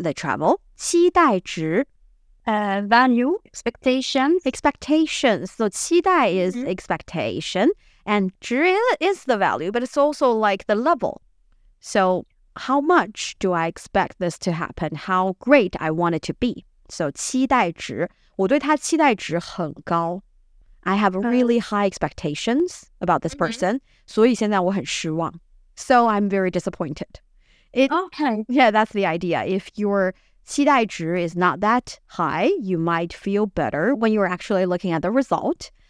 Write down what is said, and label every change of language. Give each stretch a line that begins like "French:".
English: The travel. 期待值. Value. Expectations. Expectations. So 期待 is expectation. And 值 is the value, but it's also like the level. So how much do I expect this to happen? How great I want it to be?
Chinese: So 期待值, 我对他期待值很高.
English: I have really high expectations about this person.
Chinese: 所以现在我很失望.
English: So I'm very disappointed. Yeah, that's the idea. If your 期待值 is not that high, you might feel better when you're actually looking at the result.